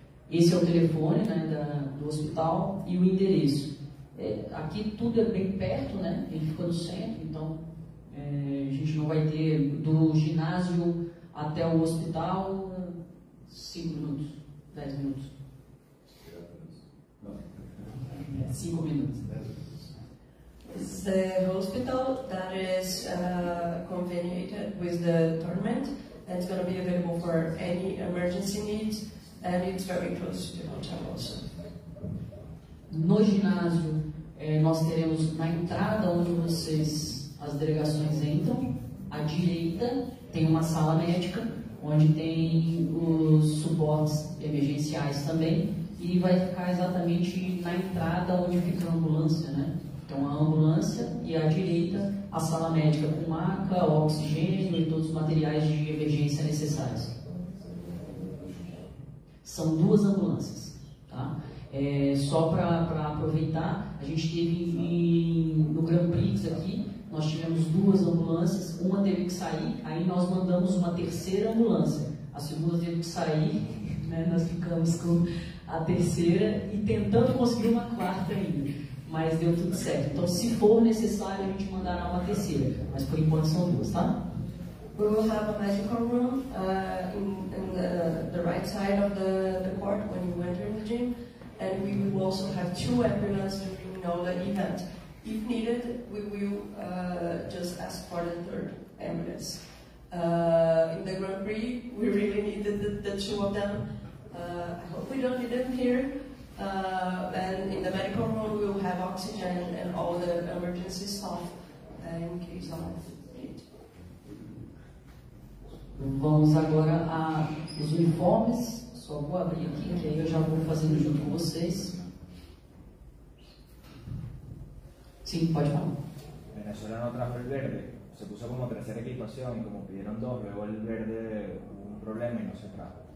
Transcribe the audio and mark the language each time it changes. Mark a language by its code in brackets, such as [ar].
[pt] Esse é o telefone, né, do hospital e o endereço. Aqui tudo é bem perto, né? Ele fica no centro, então a gente não vai ter do ginásio até o hospital 5 minutos, 10 minutos. 5 minutos. [en] It's the hospital that is conveniated with the tournament, and it's going to be available for any emergency needs, and it's very close to the hotel also. [pt] No ginásio, nós teremos na entrada onde vocês, as delegações entram, à direita tem uma sala médica, onde tem os suportes emergenciais também, e vai ficar exatamente na entrada onde fica a ambulância, né? Então, a ambulância e à direita, a sala médica com maca, oxigênio e todos os materiais de emergência necessários. São duas ambulâncias, tá? Só para aproveitar, a gente teve no Grand Prix aqui, nós tivemos duas ambulâncias, uma teve que sair, aí nós mandamos uma terceira ambulância. A segunda teve que sair, né, nós ficamos com a terceira e tentando conseguir uma quarta ainda, mas deu tudo certo. Então, se for necessário, a gente mandará uma terceira, mas por enquanto são duas, tá? [en] We will have a medical room in the right side of the court when you enter the gym, and we will also have two ambulances during all the event. If needed, we will just ask for the third ambulance. In the Grand Prix, we really needed the two of them. I hope we don't need them here. And in the medical room, we will have oxygen and all the emergency stuff in case of need. [pt] Vamos agora aos uniformes. Só vou abrir aqui, que aí eu já vou fazendo junto com vocês. Sí, pode falar. [es] Venezuela no trajo el verde, se puso como tercera equipación, como pidieron dos, luego el verde hubo un problema y no se trajo.